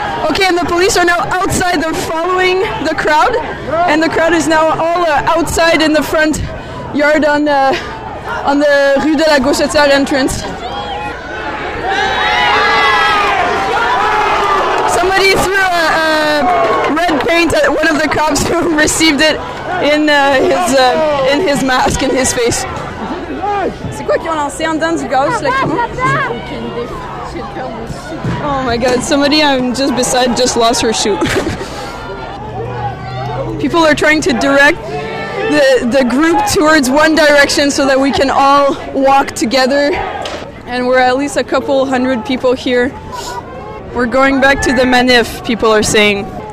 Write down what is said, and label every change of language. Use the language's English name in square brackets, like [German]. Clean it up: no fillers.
[English] Okay, and the police are now outside. They're following the crowd, and the crowd is now all outside in the front yard on the Rue de la Gauchetière entrance. Somebody threw a red paint at one of the cops who received it in his mask, in his face. [French] C'est quoi qui ont lancé en dedans du gaz? [English] Oh my god, somebody I'm just beside just lost her shoe. People are trying to direct the group towards one direction so that we can all walk together. And we're at least a couple hundred people here. We're going back to the manif, people are saying.